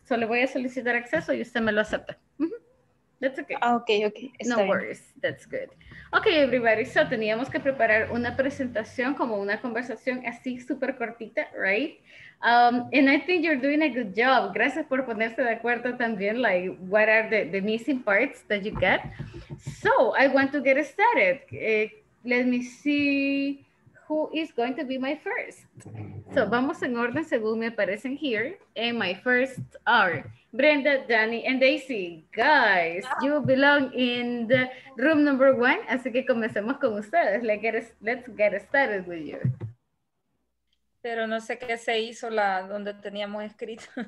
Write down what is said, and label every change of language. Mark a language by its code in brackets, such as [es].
[es] So le voy a solicitar acceso y usted me lo acepta. [en] That's okay. Okay. No worries. That's good. Okay, everybody. [es] So teníamos que preparar una presentación como una conversación así súper cortita, [en] right? And I think you're doing a good job. [es] Gracias por ponerse de acuerdo también, [en] like what are the missing parts that you get. So I want to get started. Let me see. Who is going to be my first? [es] So, vamos en orden según me aparecen [en] here. And my first are Brenda, Danny, and Daisy. Guys, you belong in the room number one. [es] Así que comencemos con ustedes. [en] Let's get started with you. [es] Pero no sé qué se hizo la donde teníamos escrito.